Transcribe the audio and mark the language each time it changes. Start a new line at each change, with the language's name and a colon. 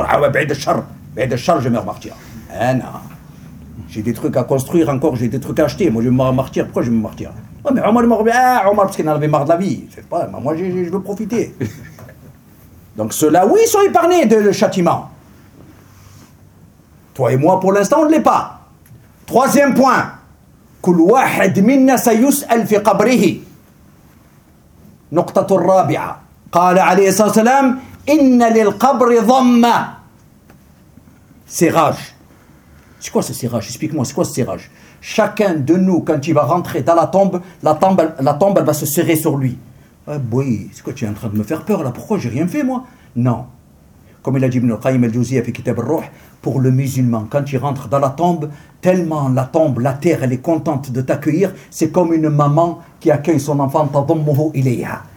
French: Ah ouais, ben de char, je meurs martyr. Eh non, j'ai des trucs à construire encore, j'ai des trucs à acheter. Moi, je vais me martyr. Pourquoi je vais me martyr? Oh, mais Omar, parce qu'il en avait marre de la vie. Je sais pas, moi, je veux profiter. Donc, ceux-là, oui, ils sont épargnés de le châtiment. Toi et moi, pour l'instant, on ne l'est pas. Troisième point.
Arabic: كل واحد منا سيسأل في قبره. نقطة الرابعة. قال عليه الصلاة والسلام إن للقبر ضمة. سراج.
French: C'est quoi ce serrage? Explique-moi, c'est quoi ce serrage? Chacun de nous, quand il va rentrer dans la tombe, elle va se serrer sur lui. Ah oui, c'est quoi, tu es en train de me faire peur là? Pourquoi j'ai rien fait moi? Non. Comme il a dit Ibn al-Qayyim al-Jawziyya
Arabic: fi Kitab al-Ruh,
French: pour le musulman, quand il rentre dans la tombe, tellement la tombe, la terre, elle est contente de t'accueillir, c'est comme une maman qui accueille son enfant,
Arabic: tadammuhu ilayha.